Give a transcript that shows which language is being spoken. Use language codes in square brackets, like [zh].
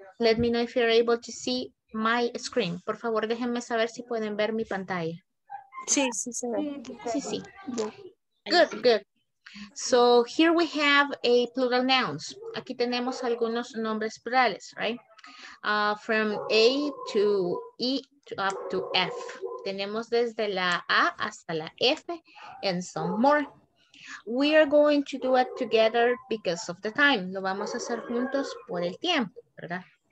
[en] Let me know if you're able to see my screen. [es] Por favor, déjenme saber si pueden ver mi pantalla. Sí, sí, sí. [en] Good, good. So here we have a plural nouns. [es] Aquí tenemos algunos nombres plurales, [en] right? From A to E to up to F. [es] Tenemos desde la A hasta la F [en] and some more. We are going to do it together because of the time. [es] Lo vamos a hacer juntos por el tiempo, ¿verdad?